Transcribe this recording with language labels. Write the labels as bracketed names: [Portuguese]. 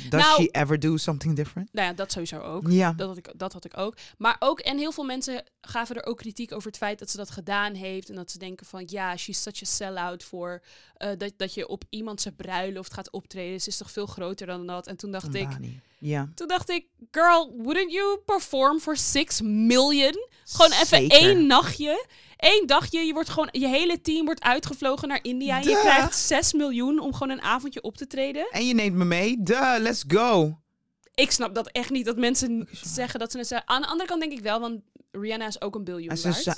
[English] Does she ever do something different? [Dutch] Nou ja, dat sowieso ook. Ja. Dat had ik ook. Maar ook, en heel veel mensen gaven er ook kritiek over het feit dat ze dat gedaan heeft. En dat ze denken van, ja, [English] she's such a sellout [Dutch] voor dat je op iemand zijn bruiloft gaat optreden. Ze is toch veel groter dan dat? En toen dacht ik... Ja. Toen dacht ik, [English] girl, wouldn't you perform for 6 million? [Dutch] Gewoon even één nachtje. Eén dagje, je hele team wordt uitgevlogen naar India. En je krijgt 6 miljoen om gewoon een avondje op te treden. En je neemt me mee. Duh, [English] let's go. [Dutch] Ik snap dat echt niet, dat mensen zeggen dat ze het zeggen. Aan de andere kant denk ik wel, want Rihanna is ook een biljoen waard.